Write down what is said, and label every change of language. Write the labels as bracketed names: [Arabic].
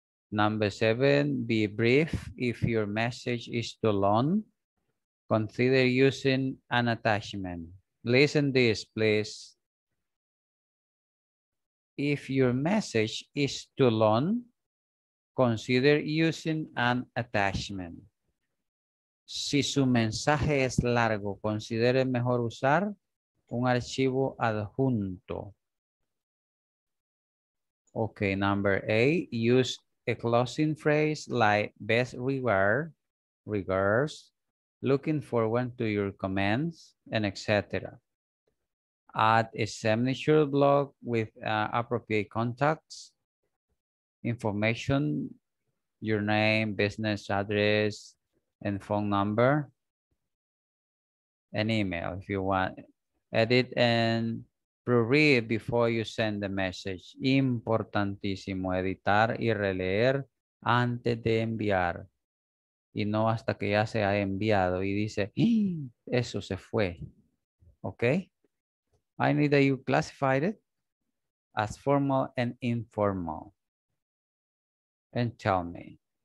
[English] Number seven, be brief. If your message is too long, consider using an attachment. Listen this, please. If your message is too long, consider using an attachment. [Spanish] Si su mensaje es largo, considere mejor usar un archivo adjunto. [English] Okay, number eight, use a closing phrase like best regards, looking forward to your comments, and etc. Add a signature block with appropriate contacts, information, your name, business address, and phone number, and email if you want. Edit and proread before you send the message. [Spanish] Importantísimo, editar y releer antes de enviar. Y no hasta que ya se ha enviado y dice, eso se fue. [English] Okay? I need that you classified it as formal and informal. And tell me.